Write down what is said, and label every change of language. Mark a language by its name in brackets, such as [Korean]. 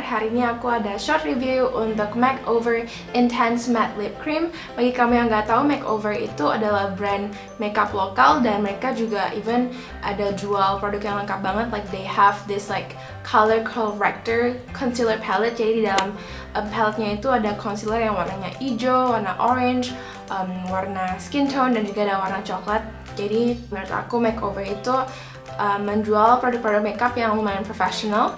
[Indonesian] Hari ini aku ada short review untuk Makeover Intense Matte Lip Cream. Bagi kamu yang gak tahu, Makeover itu adalah brand makeup lokal dan mereka juga even ada jual produk yang lengkap banget. [English] Like they have this like color corrector concealer palette. [Indonesian] Jadi di dalam palette-nya itu ada concealer yang warnanya hijau, warna orange, warna skin tone, dan juga ada warna coklat. Jadi menurut aku Makeover itu menjual produk-produk makeup yang lumayan profesional.